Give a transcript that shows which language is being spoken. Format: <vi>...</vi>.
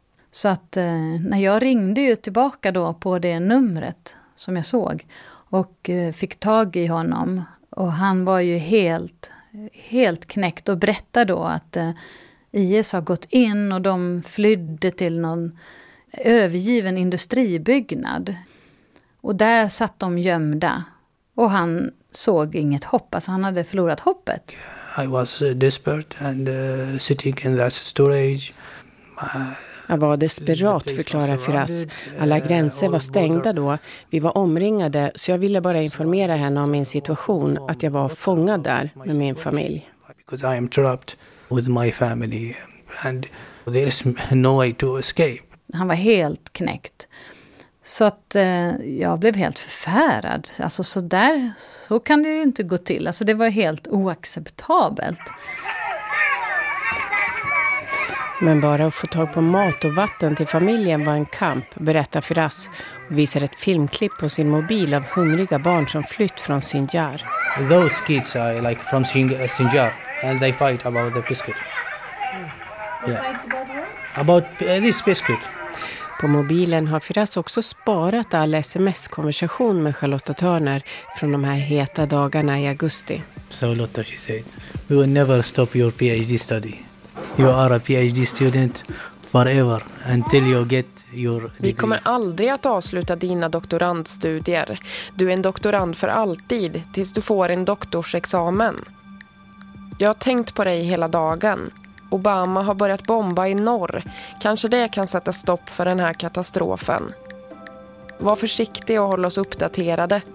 <sv>Så att när jag ringde ju tillbaka då på det numret som jag såg och fick tag i honom, och han var ju helt, helt knäckt och berättade då att IS har gått in och de flydde till någon övergiven industribyggnad. Och där satt de gömda och han såg inget hopp, alltså han hade förlorat hoppet.</sv> <en>I was desperate and sitting in that storage.</en> <sv>Jag var desperat, förklarar Firas. Alla gränser var stängda då. Vi var omringade, så jag ville bara informera henne om min situation, att jag var fångad där med min familj.</sv> <en>Because I am trapped with my family and there is no way to escape.</en> <sv>Han var helt knäckt. Så att jag blev helt förfärad. Alltså så där så kan det ju inte gå till. Alltså det var helt oacceptabelt. Men bara att få tag på mat och vatten till familjen var en kamp, berättar Firas. Och visar ett filmklipp på sin mobil av hungriga barn som flytt från Sinjar.</sv> <en>Those kids are like from Sinjar and they fight about the biscuit. Yeah. About this biscuit.</en> <sv>På mobilen har Firas också sparat all sms-konversation med Charlotta Törner från de här heta dagarna i augusti.</sv> <en>So Lotta, she said, we will never stop your PhD study. You are a PhD student forever until you get your degree.</en> <sv>Vi kommer aldrig att avsluta dina doktorandstudier. Du är en doktorand för alltid tills du får en doktorsexamen. Jag har tänkt på dig hela dagen. Obama har börjat bomba i norr. Kanske det kan sätta stopp för den här katastrofen. Var försiktig och håll oss uppdaterade.</sv>